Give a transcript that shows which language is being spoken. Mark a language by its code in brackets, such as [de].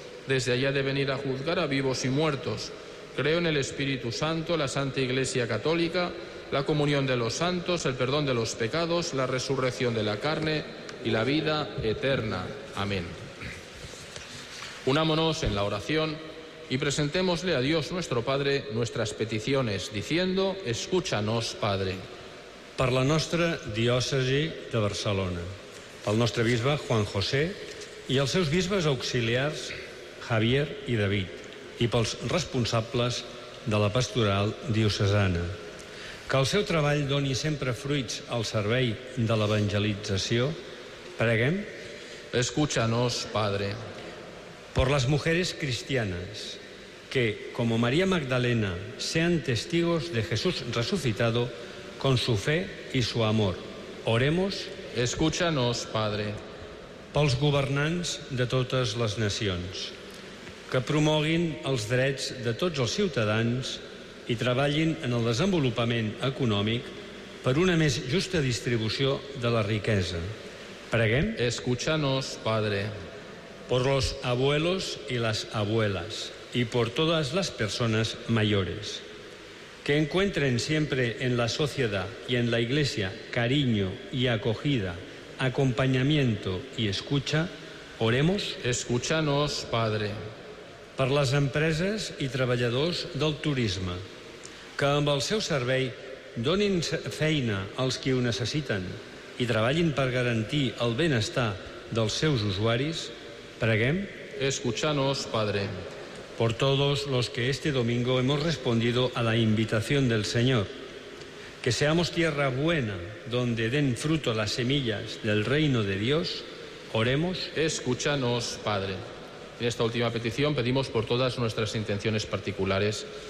[es] Desde allá ha de venir a juzgar a vivos y muertos. Creo en el Espíritu Santo, la Santa Iglesia Católica, la comunión de los santos, el perdón de los pecados, la resurrección de la carne y la vida eterna. Amén. Unámonos en la oración y presentémosle a Dios nuestro Padre nuestras peticiones, diciendo, escúchanos, Padre. [ca] Per la nostra diòcesi de Barcelona, pel nostre bisbe Juan José i els seus bisbes auxiliars Javier i David, i pels responsables de la pastoral diocesana. Que el seu treball doni sempre fruits al servei de l'evangelització, preguem. [es] Escúchanos, Padre. Por las mujeres cristianas, que, como María Magdalena, sean testigos de Jesús resucitado con su fe y su amor. Oremos. Escúchanos, Padre. [ca] Pels governants de totes les nacions. que promoguin els drets de tots els ciutadans i treballin en el desenvolupament econòmic per una més justa distribució de la riquesa. Preguem? [es] Escúchanos, Padre. Por los abuelos y las abuelas y por todas las personas mayores. Que encuentren siempre en la sociedad y en la Iglesia cariño y acogida, acompañamiento y escucha. Oremos? Escúchanos, Padre. [ca] Per les empreses i treballadors del turisme, que amb el seu servei donin feina als qui ho necessiten i treballin per garantir el benestar dels seus usuaris, preguem? [es] Escúchanos, Padre. Por todos los que este domingo hemos respondido a la invitación del Señor, que seamos tierra buena donde den fruto las semillas del reino de Dios, oremos? Escúchanos, Padre. En esta última petición pedimos por todas nuestras intenciones particulares.